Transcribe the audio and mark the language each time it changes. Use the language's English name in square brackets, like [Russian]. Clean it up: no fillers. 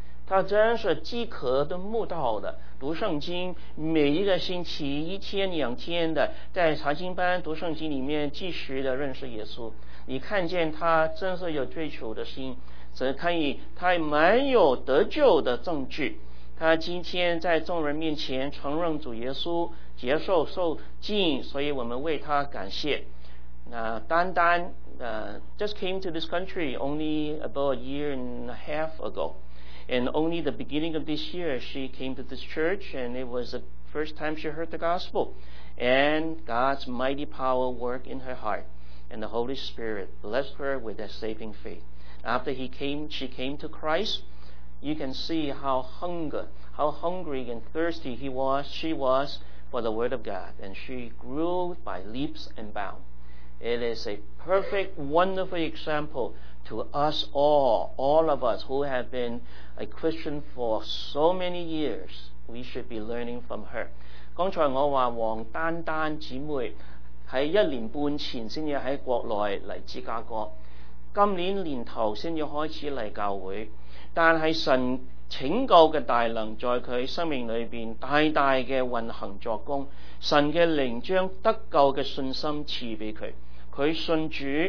[Chinese] 他真是饥渴的慕道的，读圣经，每一个星期一天两天的在查经班读圣经里面继续的认识耶稣。你看见他真是有追求的心，只可以他蛮有得救的证据。他今天在众人面前承认主耶稣，接受受浸，所以我们为他感谢。 [English] 丹丹just came to this country only about a year and a half ago, and only the beginning of this year she came to this church, and it was the first time she heard the gospel, and God's mighty power worked in her heart, and the Holy Spirit blessed her with that saving faith. After she came to Christ, you can see how hungry and thirsty she was for the word of God, and she grew by leaps and bounds. It is a perfect, wonderful example to us all of us who have been a Christian for so many years. We should be learning from her. [Chinese] 刚才我说王丹丹姊妹在一年半前才在国内来芝加哥，今年年头才开始来教会，但是神拯救的大能在他生命里面大大的运行作工，神的灵将得救的信心赐给他，他信主，